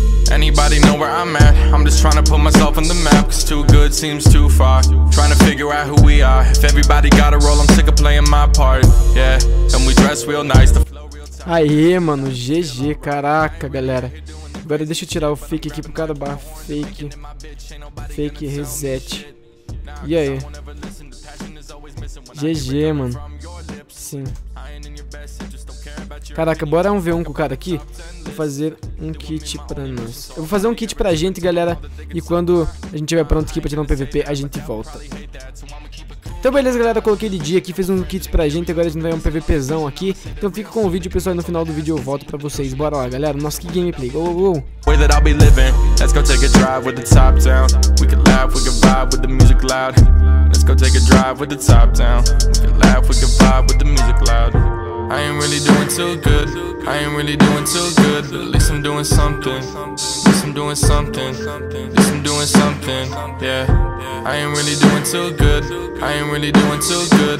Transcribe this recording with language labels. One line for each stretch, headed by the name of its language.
English: anybody know where I'm at? I'm just trying to put myself on the map, cause too good seems too far. Trying to figure out who we are. If everybody got a role, I'm sick of playing my part. Yeah, and we dress real nice. The flow real
Portuguese: tight. Aê, mano, GG, caraca, galera. Agora deixa eu tirar o fake aqui pro cara bar. Fake. Fake reset. E aí? GG, mano. Sim. Caraca, bora um V1 com o cara aqui. Vou fazer um kit pra nós. Eu vou fazer um kit pra gente, galera. E quando a gente tiver pronto aqui pra tirar um PVP, a gente volta. Então beleza, galera, coloquei de dia aqui, fez um kit pra gente. Agora a gente vai um PVPzão aqui. Então fica com o vídeo, pessoal, e no final do vídeo eu volto pra vocês. Bora lá, galera, nosso que
English: gameplay. Go, go, go. Way that I'll be living. Let's go take a drive with the top down. We can laugh, we can vibe with the music loud. Let's go take a drive with the top down. We can laugh, we can vibe with the music loud. I ain't really doing too good, I ain't really doing too good. At least I'm doing something, at least I'm doing something, at least I'm doing something, yeah. I ain't really doing too good, I ain't really doing too good.